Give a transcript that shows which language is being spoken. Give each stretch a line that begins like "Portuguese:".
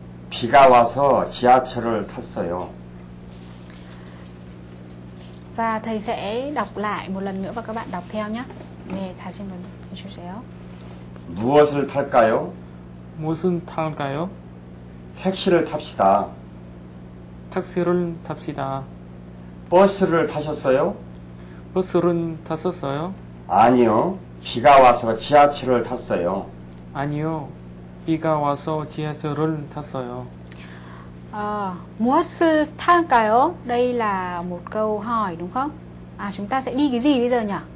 Korean: 비가 와서 지하철을 탔어요.
Vietnamese: Và thầy sẽ đọc lại một lần nữa và các bạn đọc theo nhé.
Korean: 네, 다시 한번 해주세요. 무엇을 탈까요? 무슨 탈까요? 택시를 탑시다. 택시를 탑시다. 버스를 타셨어요? 버스를 탔었어요? 아니요. 비가 와서 지하철을 탔어요. 아니요. 비가 와서 지하철을 탔어요. 아, muốn thang cái ó.
Vietnamese: Đây là một câu hỏi đúng không? Chúng ta sẽ đi cái gì bây giờ nhỉ?